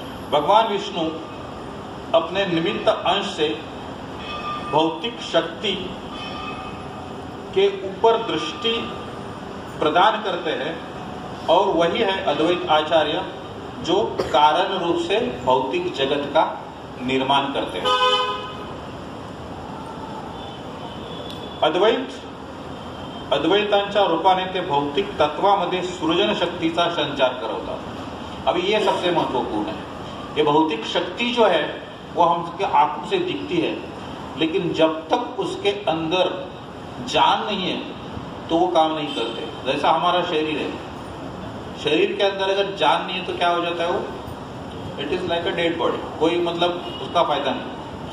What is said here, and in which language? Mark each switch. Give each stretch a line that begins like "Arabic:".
Hindi: भगवान विष्णु अपने निमित्त अंश से भौतिक शक्ति के ऊपर दृष्टि प्रदान करते हैं और वही है अद्वैत आचार्य जो कारण रूप से भौतिक जगत का निर्माण करते हैं।
Marathi: अद्वैत अद्वैतांच्या रूपाने ते भौतिक तत्वामध्ये सृजन शक्तीचा संचार करवतात।
Hindi: अभी ये सबसे महत्वपूर्ण है, ये भौतिक शक्ति जो है वो हमके आंखों से दिखती है लेकिन जब तक उसके अंदर जान नहीं है तो वो काम नहीं करते। जैसा हमारा शरीर है, शरीर के अंदर अगर जान नहीं है तो क्या हो जाता है, वो
English: it is like a dead body,
Hindi: कोई मतलब उसका फायदा नहीं।